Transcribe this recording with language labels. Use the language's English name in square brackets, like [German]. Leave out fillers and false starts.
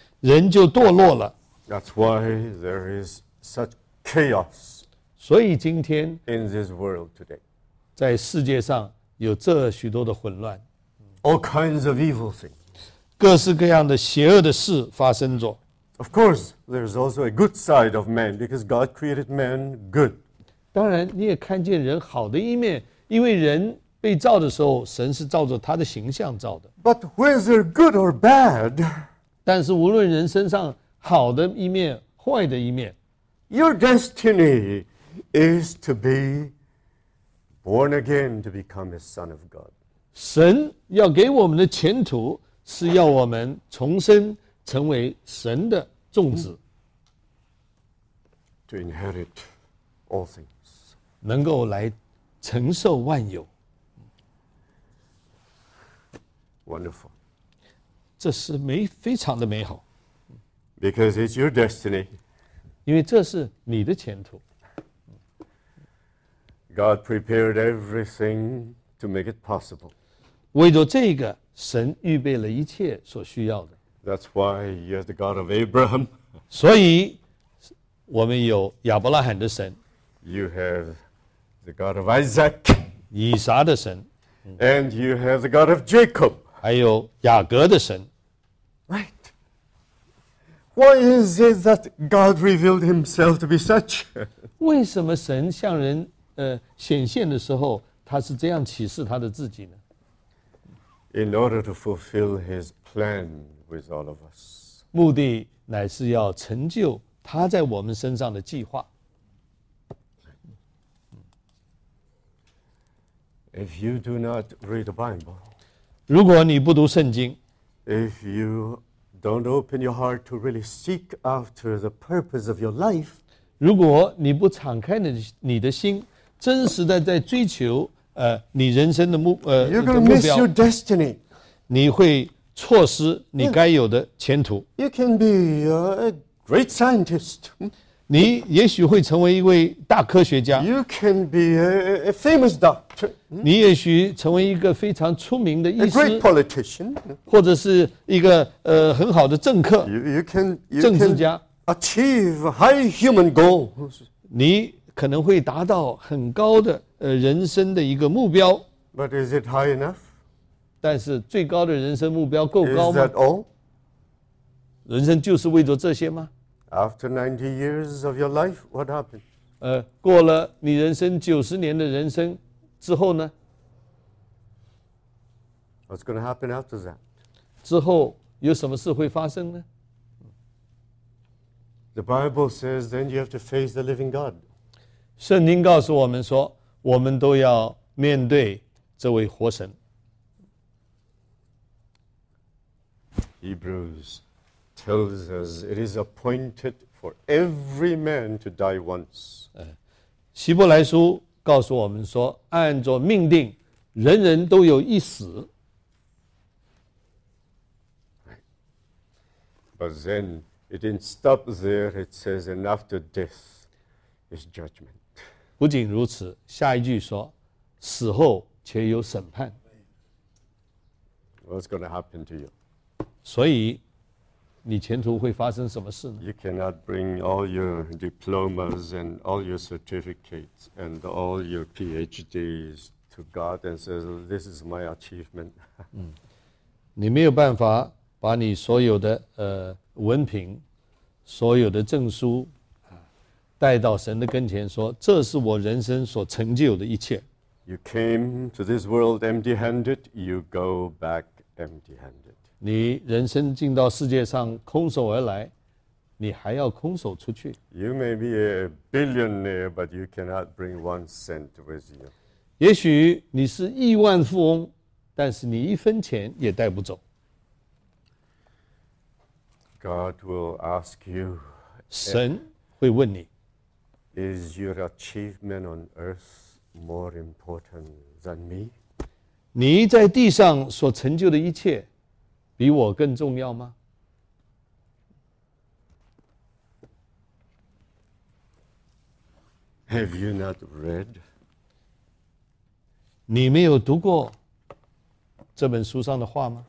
[Chinese] 人就堕落了。 [English] That's why there is such chaos. [Chinese] 所以今天 [English] in this world today, [Chinese] 在世界上有这许多的混乱。 [English] All kinds of evil things. [Chinese] 各式各样的邪恶的事发生着。 [English] Of course, there is also a good side of man because God created man good. [Chinese] 当然，你也看见人好的一面，因为人被造的时候，神是照着他的形象造的。 [English] But whether good or bad, [Chinese] 但是无论人身上好的一面、坏的一面 [English] ，Your destiny is to be born again to become a son of God. [Chinese] 神要给我们的前途是要我们重生。成为神的众子 [English] ，to inherit all things， [Chinese] 能够来承受万有 [English] ，wonderful， [Chinese] 这是非常的美好 [English] ，because it's your destiny， [Chinese] 因为这是你的前途 [English] ，God prepared everything to make it possible， [Chinese] 唯独这个神预备了一切所需要的。 [English] That's why you are the God of Abraham. [Chinese] 所以我们有亚伯拉罕的神。 [English] You have the God of Isaac. [Chinese] 以撒的神。 [English] And you have the God of Jacob. [Chinese] 还有雅各的神。 [English] Right. Why is it that God revealed himself to be such? [Chinese] 为什么神向人显现的时候他是这样启示他的自己呢？ [English] In order to fulfill his plan. With all of us. [Chinese] 目的乃是要成就他在我们身上的计划。 [English] If you do not read the Bible, [Chinese] 如果你不读圣经, [English] if you don't open your heart to really seek after the purpose of your life, [Chinese] 如果你不敞开你的心，真实的在追求你人生的目标, [English] you're going to miss your destiny. [Chinese] 你会错失你该有的前途。 [English] You can be a great scientist. [Chinese] 你也许会成为一位大科学家。 [English] You can be a famous doctor. [Chinese] 你也许成为一个非常出名的医师。 [English] A great politician. [Chinese] 或者是一个很好的政客。 [English] You can [Chinese] 政治家。 [English] Achieve high human goals. [Chinese] 你可能会达到很高的人生的一个目标。 [English] But is it high enough? [Chinese] 但是最高的人生目标够高吗 [English] ？Is that all? [Chinese] 人生就是为着这些吗 [English] ？After 90 years of your life, what happened? [Chinese] 过了你人生90年的人生之后呢 [English] What's going to happen after that? [Chinese] 之后有什么事会发生呢？ [English] The Bible says then you have to face the living God. [Chinese] 圣经告诉我们说，我们都要面对这位活神。 [English] Hebrews tells us it is appointed for every man to die once. [Chinese] 希伯来书告诉我们说，按着命定，人人都有一死。 [English] But then it didn't stop there. It says, "And after death is judgment." [Chinese] 不仅如此，下一句说，死后且有审判。 [English] What's going to happen to you? [Chinese] 所以，你前途会发生什么事呢？ [English] You cannot bring all your diplomas and all your certificates and all your PhDs to God and say, "This is my achievement." [Chinese] 你没有办法。把你所有的文凭，所有的证书，带到神的跟前，说这是我人生所成就的一切。 [English] You came to this world empty-handed, you go back empty-handed. [Chinese] 你人生进到世界上空手而来，你还要空手出去。 [English] You may be a billionaire, but you cannot bring one cent with you. [Chinese] 也许你是亿万富翁，但是你一分钱也带不走。 [English] God will ask you, [Chinese] 神会问你， [English] Is your achievement on earth more important than me? [Chinese] 你在地上所成就的一切比我更重要吗？ [English] Have you not read? [Chinese] 你没有读过这本书上的话吗？